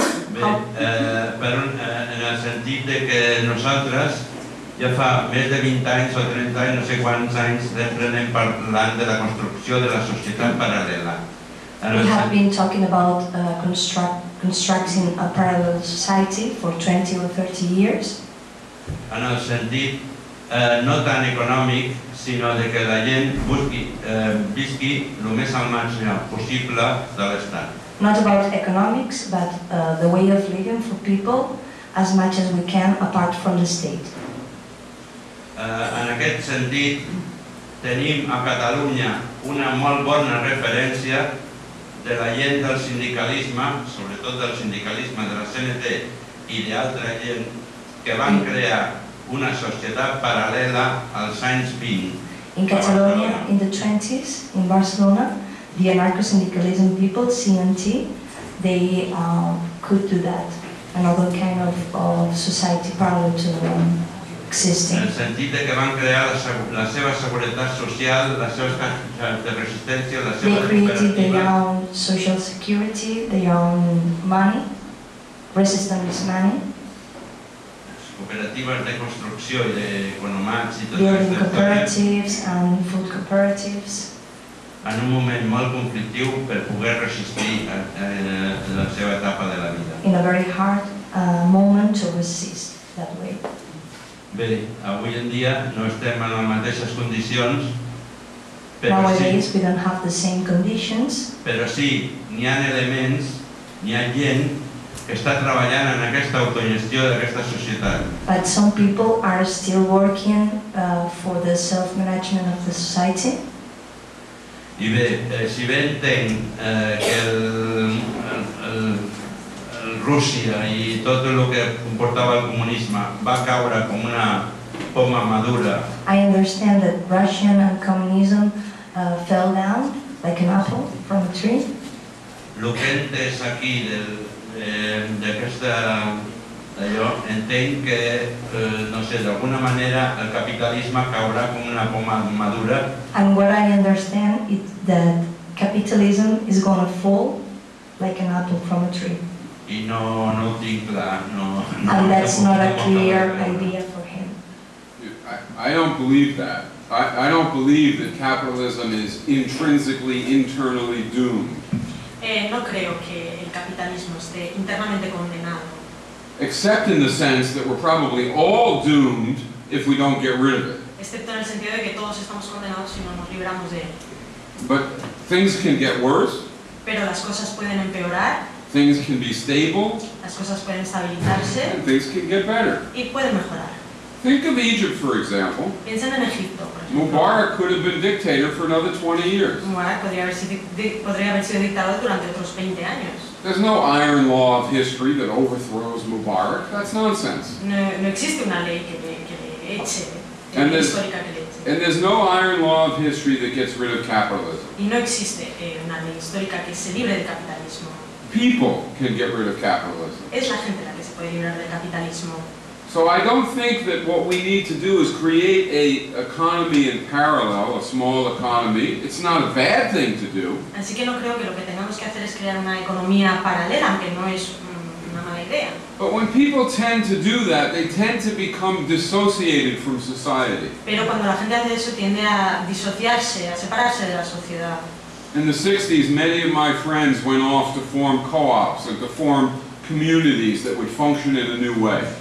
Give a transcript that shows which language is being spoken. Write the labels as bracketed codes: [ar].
[ca] Bé, però en el sentit de que nosaltres ja fa més de 20 anys o 30 anys, no sé quants anys, anem parlant de la construcció de la societat paral·lela. [en] We have been talking about constructing a parallel society for 20 or 30 years. [ca] En el sentit no tan econòmic, sinó de que la gent busqui, visqui el més al marge possible de l'estat. [en] Not about economics, but the way of living for people as much as we can apart from the state. [ca] En aquest sentit, tenim a Catalunya una molt bona referència de la gent del sindicalisme, sobretot del sindicalisme de la CNT i d'altra gent que van crear una societat paral·lela als anys 20. [en] In Catalonia, in the 20s, in Barcelona, the anarcho-syndicalism people, CNT, they could do that, another kind of society parallel to existing. [ca] En el sentit que van crear la seva seguretat social, les seves caixes de resistència, la seva cooperativa. [en] They created their own social security, their own money, resistance money. [ca] Cooperatives de construcció i d'economats i tot això. [en] Cooperatives and food cooperatives. [ca] En un moment molt conflictiu per poder resistir en la seva etapa de la vida. [en] In a very hard moment to resist that way. [ca] Bé, avui en dia no estem en les mateixes condicions. [en] Nowadays we don't have the same conditions. [ca] Però sí, n'hi ha elements, n'hi ha gent que està treballant en aquesta autogestió d'aquesta societat. [en] But some people are still working for the self-management of the society. [ca] I bé, si bé entenc que el Rússia i tot el que comportava el comunisme va caure com una poma madura. [en] I understand that Russian and communism fell down like an apple from a tree. [ca] El que he entès aquí d'allò, entenc que, no sé, d'alguna manera el capitalisme caurà com una poma madura. [en] And what I understand is that capitalism is going to fall like an apple from a tree. [ca] I no ho tinc clar. [en] And that's not a clear idea for him. I don't believe that. I don't believe that capitalism is intrinsically, internally doomed. [es] No creo que el capitalismo esté internamente condenado. [en] Except in the sense that we're probably all doomed if we don't get rid of it. [es] Excepto en el sentido de que todos estamos condenados si no nos libramos de él. [en] But things can get worse. [es] Pero las cosas pueden empeorar. [en] Things can be stable. [es] Las cosas pueden estabilizarse. [en] And things can get better. [es] Y pueden mejorar. [en] Think of Egypt, for example. [es] Piensen en Egipto, por ejemplo. [en] Mubarak could have been dictator for another 20 years. [es] Mubarak podría haber sido dictador durante otros 20 años. [en] There's no iron law of history that overthrows Mubarak. That's nonsense. [es] No existe una ley que le eche. [en] And there's no iron law of history that gets rid of capitalism. [es] Y no existe una ley histórica que se libre del capitalismo. [en] People can get rid of capitalism. [es] Es la gente la que se puede librar del capitalismo. [en] So I don't think that what we need to do is create a economy in parallel, a small economy. It's not a bad thing to do. [es] Así que no creo que lo que tengamos que hacer es crear una economía paralela, aunque no es una mala idea. [en] But when people tend to do that, they tend to become dissociated from society. [es] Pero cuando la gente hace eso, tiende a disociarse, a separarse de la sociedad. [en] In the 60s, many of my friends went off to form co-ops and to form communities that would function in a new way.